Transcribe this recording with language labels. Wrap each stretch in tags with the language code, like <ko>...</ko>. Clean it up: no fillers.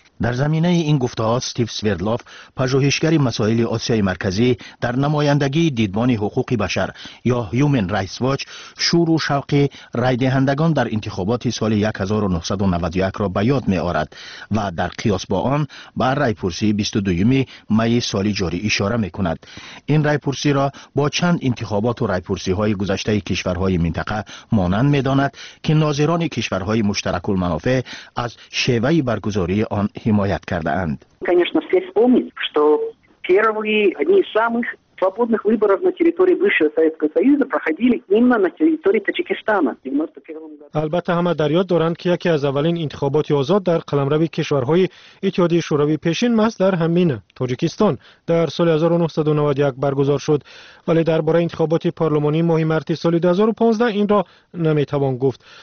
<fa>در زمینه این گفته ها استیو سویردلوف، پژوهشگر مسائل آسیای مرکزی در نمایندگی دیدبان حقوق بشر یا Human Rights Watch، شور و شوق رای دهندگان در انتخابات سال 1991 را به یاد می آورد و در قیاس با آن به رای پرسی 22 می سال جاری اشاره می کند. این رای پرسی را با چند انتخابات و رای پرسی های گذشته کشورهای منطقه مانند می داند که ناظران کشورهای مشترک المنافع از شیوه برگزاری آن حمایت کرده اند.</fa> <ru>Конечно, все вспомнить, что первые одни из самых свободных выборов на территории бывшего Советского Союза проходили именно на территории Таджикистана.</ru> <fa>البته همه در یاد دارند که یکی از اولین انتخابات آزاد در قلمرو کشورهای اتحادیه شوروی پیشین مثل در همین تاجیکستان در سال 1991 برگزار شد، ولی درباره انتخابات پارلمانی ماه مارس سال 2015 این را نمیتوان گفت.</fa>